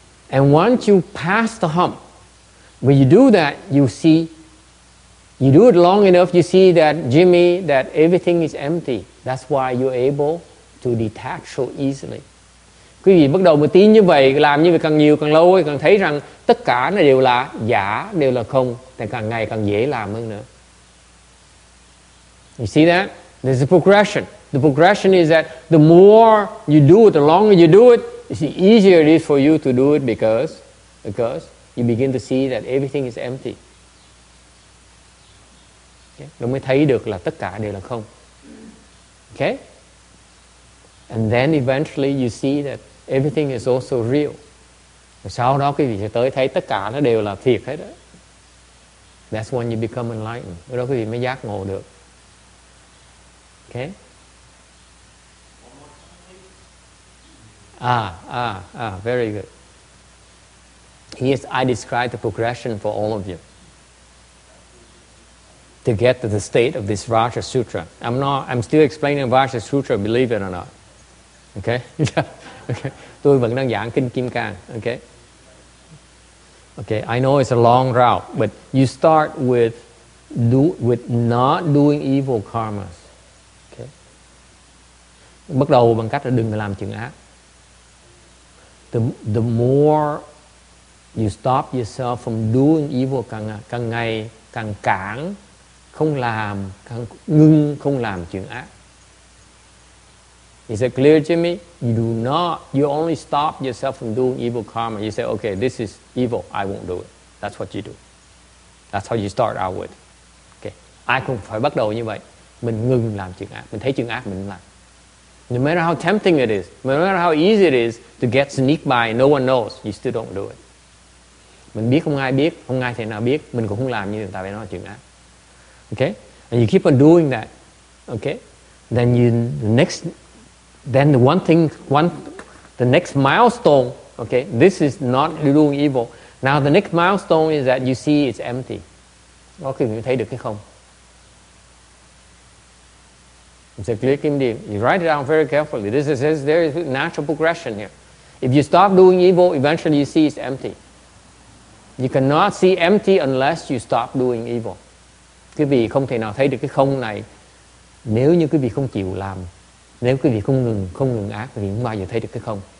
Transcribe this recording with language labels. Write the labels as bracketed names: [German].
[English] And once you pass the hump, when you do that, you see, you do it long enough, you see that, Jimmy, that everything is empty. That's why you're able to detach so easily. [Vietnamese] Quý vị bắt đầu một tí như vậy, làm như vậy càng nhiều, càng lâu, càng thấy rằng tất cả nó đều là giả, đều là không. Thì càng ngày càng dễ làm hơn nữa. [English] You see that? There's a progression. The progression is that the more you do it, the longer you do it, the easier it is for you to do it because you begin to see that everything is empty. Okay? [Vietnamese] Rồi mới thấy được là tất cả đều là không. [English] Okay? And then eventually you see that everything is also real. [Vietnamese] Rồi sau đó quý vị sẽ tới thấy tất cả nó đều là thiệt hết đó. [English] That's when you become enlightened. [Vietnamese] Rồi đó quý vị mới giác ngộ được. [English] Okay? Very good. Yes, I described the progression for all of you to get to the state of this Vajra Sutra. I'm still explaining Vajra Sutra, believe it or not. Okay? [Vietnamese] Tôi vẫn đang giảng Kinh Kim Cang. [English] Okay? Okay, I know it's a long route, but you start with not doing evil karmas. Okay? [Vietnamese] Bắt đầu bằng cách là đừng làm chuyện ác. [English] The more you stop yourself from doing evil, [Vietnamese] càng ngày càng cản, không làm, càng ngưng, không làm chuyện ác. [English] Is it clear to me? You only stop yourself from doing evil karma. You say, okay, this is evil, I won't do it. That's what you do. That's how you start out with. Okay. [Vietnamese] Ai cũng phải bắt đầu như vậy. Mình ngưng làm chuyện ác. Mình thấy chuyện ác, mình làm. [English] No matter how tempting it is, no matter how easy it is to get sneaked by, no one knows, you still don't do it. [Vietnamese] Mình biết, không ai thể nào biết, mình cũng không làm như người ta phải nói chuyện ác. [English] Okay? And you keep on doing that. Okay? Then the next milestone, okay, this is not doing evil. Now the next milestone is that you see it's empty. [Vietnamese] Okay, you thấy được cái không? [English] It's a clear condition. You write it down very carefully. There is natural progression here. If you stop doing evil, eventually you see it's empty. You cannot see empty unless you stop doing evil. [Vietnamese] Quý vị không thể nào thấy được cái không này nếu như quý vị không chịu làm, nếu quý vị không ngừng ác, quý vị không bao giờ thấy được cái không.